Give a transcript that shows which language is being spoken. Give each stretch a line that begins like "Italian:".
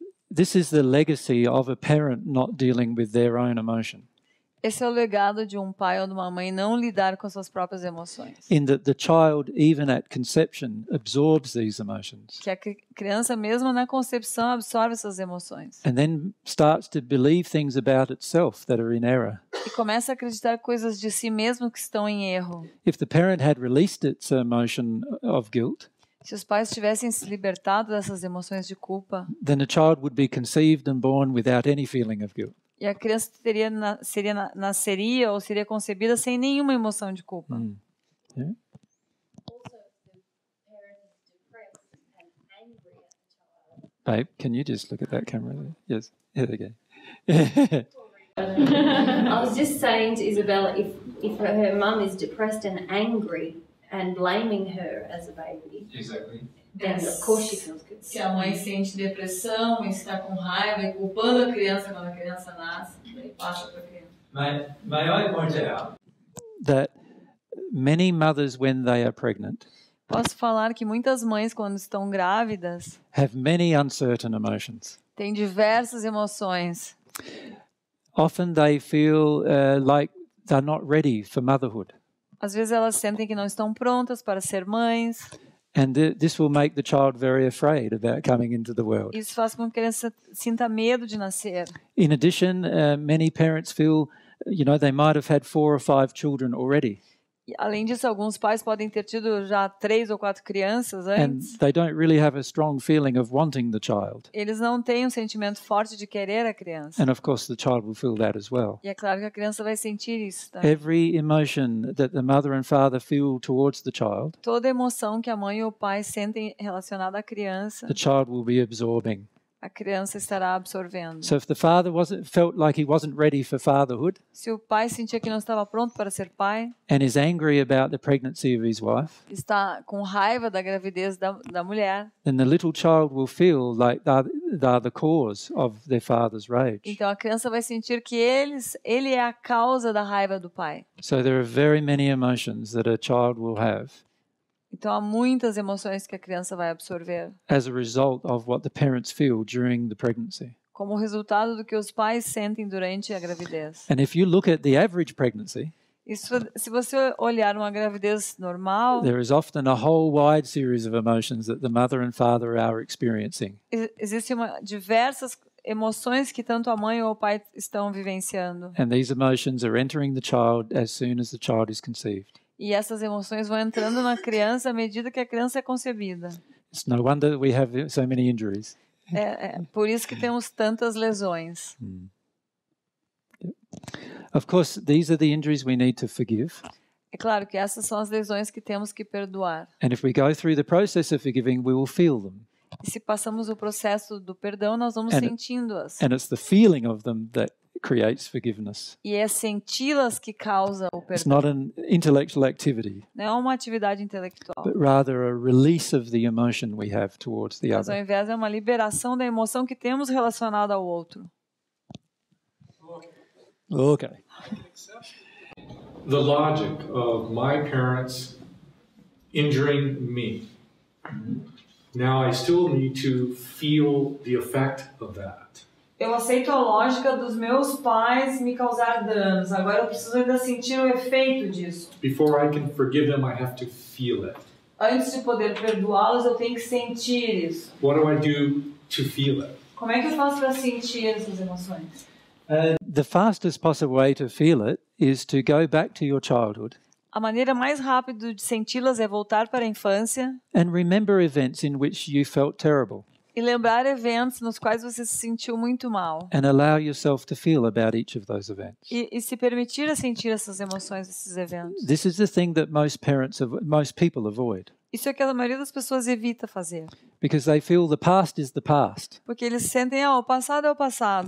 English: This is the legacy of a parent not dealing with their own emotion.
Portuguese: Esse é o legado de um pai ou de uma mãe não lidar com suas próprias emoções.
English: In that the child, even at conception, absorbs these emotions.
Portuguese: Que a criança mesmo na concepção absorve essas emoções.
English: And then starts to believe things about itself that are in error.
Portuguese: E começa a acreditar coisas de si mesmo que estão em erro.
English: If the parent had released its emotion of guilt,
Portuguese: se os pais tivessem se libertado dessas emoções de culpa,
English: then a child would be conceived and born without any feeling of guilt.
Portuguese: E a criança seria concebida sem nenhuma emoção de culpa. Mm. Yeah.
English: Babe, can you just look at that camera there? Yes, here they go. I was just saying to Isabella, if her mum is depressed and angry, and blaming her as a baby. Exactly. Then of course she feels good.
Portuguese: Se a mãe sente depressão, está com raiva, culpando a criança quando a criança nasce, passa para a criança.
English: May I point out that many mothers, when they are pregnant,
Portuguese: posso falar que muitas mães quando estão grávidas
English: have many uncertain emotions.
Portuguese: Têm diversas emoções.
English: Often they feel like they're not ready for motherhood.
Portuguese: Às vezes elas sentem que não estão prontas para ser mães.
English: And this will make the child very afraid about coming into the world.
Portuguese: Isso faz com que a criança sinta medo de nascer.
English: In addition, many parents feel, you know, they might have had 4 or 5 children already.
Portuguese: Além disso, alguns pais podem ter tido já 3 ou 4 crianças antes.
English: And they don't really have a strong feeling of wanting the child.
Portuguese: Eles não têm um sentimento forte de querer a criança.
English: And of course, the child will feel that as well.
Portuguese: E é claro que a criança vai sentir isso também.
English: Every emotion that the mother and father feel towards the child,
Portuguese: toda emoção que a mãe ou o pai sentem relacionada à criança,
English: the child will be absorbing.
Portuguese: A criança estará absorvendo.
English: So if the father felt like he wasn't ready for fatherhood,
Portuguese: se o pai sentia que não estava pronto para ser pai,
English: and is angry about the pregnancy of his wife,
Portuguese: está com raiva da gravidez da mulher,
English: then the little child will feel like they're the cause of their father's rage.
Portuguese: Então a criança vai sentir que ele é a causa da raiva do pai.
English: So there are very many emotions that a child will have.
Portuguese: Então, há muitas emoções que a criança vai absorver.
English: As a result of what the parents feel during the pregnancy.
Portuguese: Como resultado do que os pais sentem durante a gravidez.
English: And if you look at the average pregnancy,
Portuguese: se você olhar uma gravidez normal,
English: there is often a whole wide series of emotions that the mother and father are experiencing.
Portuguese: Existem diversas emoções que tanto a mãe ou o pai estão vivenciando.
English: And these emotions are entering the child as soon as the child is conceived.
Portuguese: E essas emoções vão entrando na criança à medida que a criança é concebida.
English: It's no wonder we have so many injuries.
Portuguese: É por isso que temos tantas lesões.
English: Of course, these are the injuries we need to forgive.
Portuguese: É claro que essas são as lesões que temos que perdoar.
English: And if we go through the process of forgiving, we will feel them.
Portuguese: E se passamos o processo do perdão, nós vamos sentindo-as.
English: And it's the feeling of them that creates forgiveness.
Portuguese: E é senti-las que causa o perdão.
English: It's not an intellectual activity.
Portuguese: Não é uma atividade intelectual.
English: But rather a release of the emotion we have towards the other.
Portuguese: Mas ao invés é uma liberação da emoção que temos relacionada ao outro.
English: Okay. The logic of my parents injuring me. Now I still need to feel the effect of that.
Portuguese: Eu aceito a lógica dos meus pais me causar danos. Agora eu preciso ainda sentir o efeito disso.
English: Before I can forgive them, I have to feel it.
Portuguese: Antes de poder perdoá-los, eu tenho que sentir isso.
English: What do I do to feel it?
Portuguese: Como é que eu faço para sentir essas emoções?
English: The fastest possible way to feel it is to go back to your childhood.
Portuguese: A maneira mais rápida de senti-las é voltar para a infância.
English: And remember events in which you felt terrible.
Portuguese: E lembrar eventos nos quais você se sentiu muito mal.
English: And allow yourself to feel about each of those events.
Portuguese: E se permitir a sentir essas emoções, esses eventos.
English: This is the thing that most people avoid.
Portuguese: Isso é o que a maioria das pessoas evita fazer.
English: Because they feel the past is the past.
Portuguese: Porque eles sentem, ah, o passado é o passado.